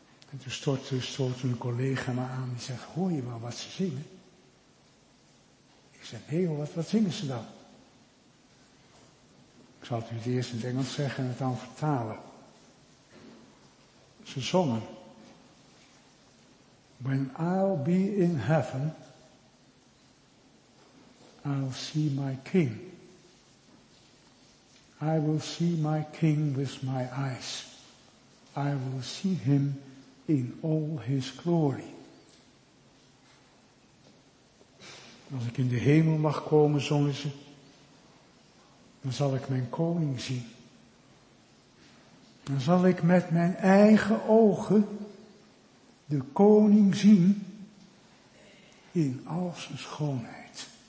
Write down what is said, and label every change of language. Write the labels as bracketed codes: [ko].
[nl] En toen stortte een collega me aan. Die zegt, hoor je wel wat ze zingen? Ik zeg, nee hoor, wat zingen ze dan? Ik zal het u eerst in het Engels zeggen en het dan vertalen. Ze zongen. [en] When I'll be in heaven, I'll see my king. I will see my king with my eyes. I will see him in all his glory. [nl] Als ik in de hemel mag komen, zongen ze, dan zal ik mijn koning zien. Dan zal ik met mijn eigen ogen de koning zien in al zijn schoonheid.